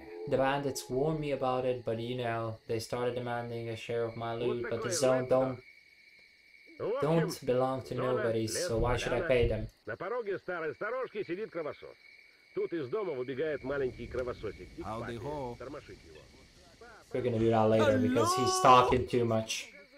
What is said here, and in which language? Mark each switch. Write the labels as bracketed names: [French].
[English] The bandits warned me about it, but you know, they started demanding a share of my loot, but the zone don't belong to nobody, so why should I pay them? [Russian] На пороге старой сторожки сидит кровосос. Тут из дома выбегает маленький кровососик. Тормошить его. [English] We're gonna do that later because he's talking too much.